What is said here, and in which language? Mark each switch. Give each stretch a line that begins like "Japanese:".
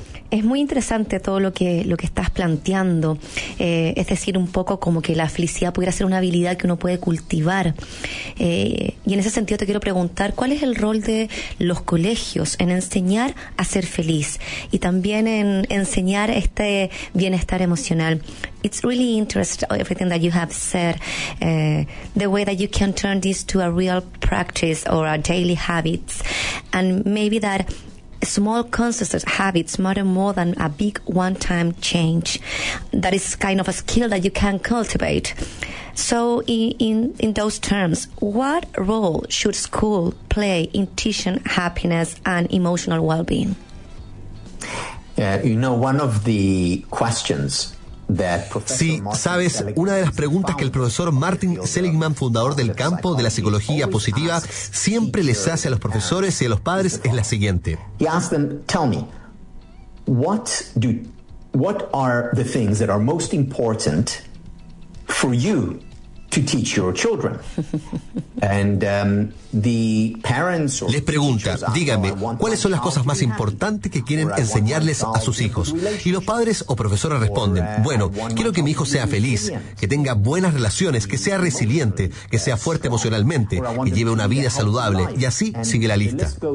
Spanish: Es muy interesante todo lo que estás planteando, es decir, un poco como que la felicidad pudiera ser una habilidad que uno puede cultivar. Y en ese sentido te quiero preguntar, ¿cuál es el rol de los colegios en enseñar a ser feliz y también en enseñar este bienestar emocional?
English: It's really interesting everything that you have said, the way that you can turn this to a real practice or a daily habits, and maybe that small consistent habits matter more than a big one-time change. That is kind of a skill that you can cultivate. So in those terms, what role should school play in teaching happiness and emotional well-being? One of the questions...
Spanish: Sí, sabes, una de las preguntas que el profesor Martin Seligman, fundador del campo de la psicología positiva, siempre les hace a los profesores y a los padres es la siguiente.
English: He asks them, tell me, what are the things that are most important for you to teach your children? And the parents or
Spanish: les pregunta, dígame, ¿cuáles son las cosas más importantes que quieren enseñarles a sus hijos? Y los padres o profesores responden, bueno, quiero que mi hijo sea feliz, que tenga buenas relaciones, que sea resiliente, que sea fuerte emocionalmente, que lleve una vida saludable, y así sigue la lista.